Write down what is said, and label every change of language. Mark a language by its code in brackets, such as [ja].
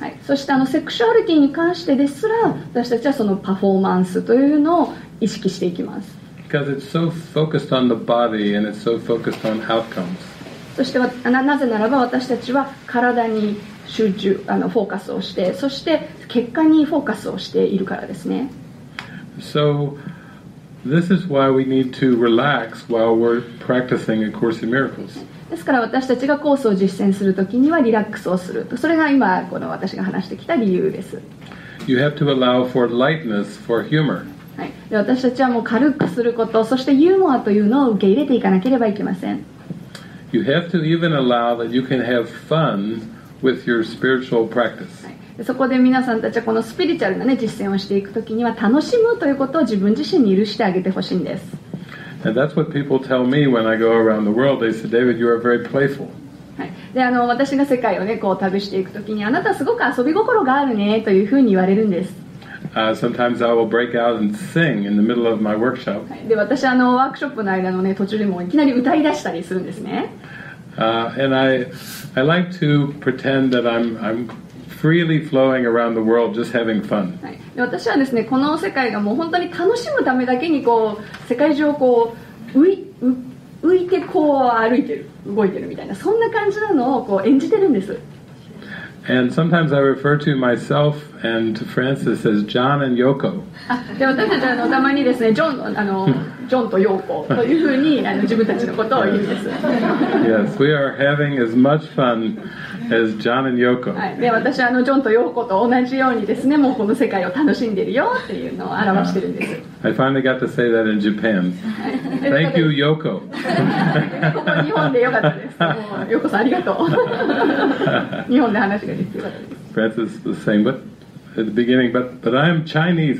[ja] はい、そしてセクシュアリティに関してですら私たちはそのパフォーマンスというのを意識していきます。 [en] Because it's so focused on the body and it's so focused on outcomes. [ja] そしてなぜならば私たちは体に集中フォーカスをして、そして結果にフォーカスをしているからですね。 [en] So this is why we need to relax while we're practicing A Course in Miracles. [ja] ですから私たちがコースを実践するときにはリラックスをする。それが今私が話してきた理由です。 [en] You have to allow for lightness for humor. [ja] はい、で私たちはもう軽くすること、そしてユーモアというのを受け入れていかなければいけません。 [en] You have to even allow that you can have fun with your spiritual practice. [ja] そこで皆さんたちはこのスピリチュアルな、ね、実践をしていくときには楽しむということを自分自身に許してあげてほしいんです。 [en] And that's what people tell me when I go around the world. They say, David, you are very playful.、 [ja] はい、で私が世界を、ね、こう旅していくときにあなたすごく遊び心があるねというふうに言われるんです。 [en] Sometimes I will break out and sing in the middle of my workshop.、 [ja] はい、で私ワークショップの間の、ね、途中でもいきなり歌い出したりするんですね。 [en] And I like to pretend that I'm freely flowing around the world, just having fun. [ja] はい、私はですね、この世界がもう本当に楽しむためだけにこう世界中をこう浮いてこう歩いてる、動いてるみたいな、そんな感じなのをこう演じてるんです。 [en] And sometimes I refer to myself and to Francis as John and Yoko. [ja] で私たちはたまにですね、ジョンとヨーコというふうに自分たちのことを言うんです。 [en] Yes, we are having as much fun as John and Yoko. [ja] で私はジョンとヨーコと同じようにですね、もうこの世界を楽しんでるよっていうのを表してるんです。 [en] I finally got to say that in Japan. Thank you, Yoko. [ja] ここ日本でよかったです。ヨーコさんありがとう。日本で話ができてよかったです。 [en] Francis was saying, but at the beginning, but I'm Chinese.